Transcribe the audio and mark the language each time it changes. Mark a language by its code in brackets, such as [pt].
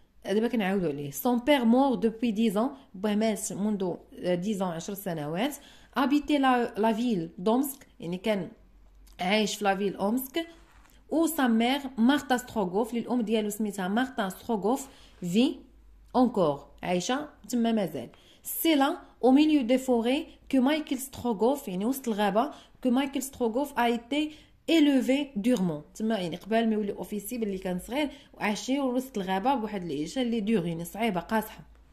[ar] دابا كنعاودوا عليه، [fr] son père mort depuis 10 ans، [ar] باه مات منذ 10 ans 10 سنوات، [fr] habitait la ville d'Omsk، [ar] يعني كان عايش في لا فيل اومسك، و [fr] sa mère [ar] مارتا ستروغوف، للام ديالو سميتها مارتا ستروغوف، في اونكور عايشه تما مازال. [fr] C'est là, au milieu des forêts, que Michael Strogoff, [ar] يعني وسط الغابة, [fr] que Michael Strogoff a été élevé durement. [ar] تما يعني قبل ما يولي اوفيسي باللي كان صغير وعاشي وسط الغابة بواحد العيشة اللي دور، يعني صعيبة قاصحة.